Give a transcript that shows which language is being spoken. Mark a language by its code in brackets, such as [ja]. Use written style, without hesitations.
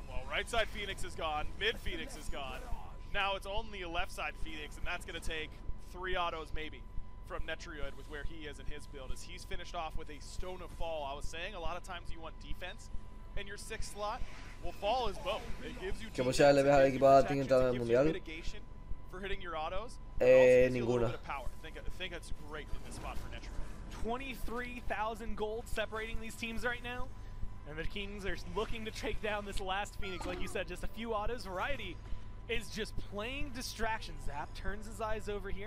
[en] Well, right side Phoenix is gone. Mid Phoenix is gone. Now it's only a left side Phoenix, and that's going to take three autos maybe from Netrioid with where he is in his build. As he's finished off with a Stone of Fall, I was saying a lot of times you want defense in your sixth slot. Well, fall is both. It gives you [es] ¿qué posibilidades le ves al equipo de Tiny entrando en el mundial? [en] Autos, [es] ninguna. [en] Think that's great in this spot for Netrioid. 23,000 gold separating these teams right now. And the Kings are looking to take down this last Phoenix. Like you said, just a few autos. Variety is just playing distraction. Zap turns his eyes over here.